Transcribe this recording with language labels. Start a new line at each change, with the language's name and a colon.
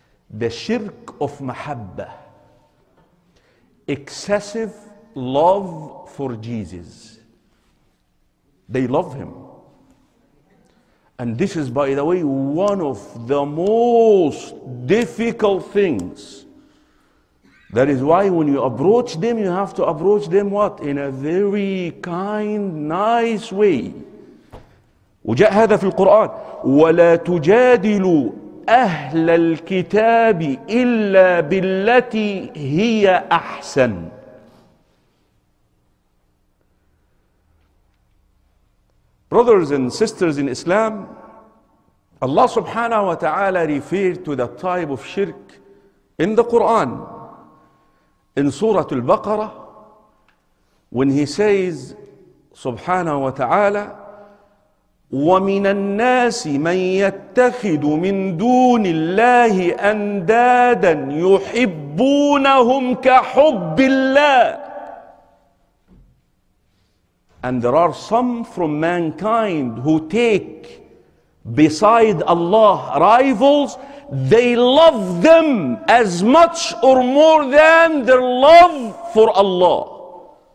English: The shirk of mahabba, excessive love for Jesus. They love him. And this is, by the way, one of the most difficult things. That is why when you approach them, you have to approach them what? In a very kind, nice way.
Arabic: وجاء هذا في القرآن وَلَا تُجَادِلُوا أَهْلَ الْكِتَابِ إِلَّا بِالَّتِي هِيَ أَحْسَنُ.
English: Brothers and sisters in Islam, Allah subhanahu wa ta'ala referred to the type of shirk in the Quran. In Surah Al-Baqarah, when he says, subhanahu wa ta'ala,
Arabic: وَمِنَ النَّاسِ مَنْ يَتَّخِذُ مِنْ دُونِ اللَّهِ أَنْدَادًا يُحِبُّونَهُمْ كَحُبِّ اللَّهِ.
English: And there are some from mankind who take beside Allah rivals, they love them as much or more than their love for Allah.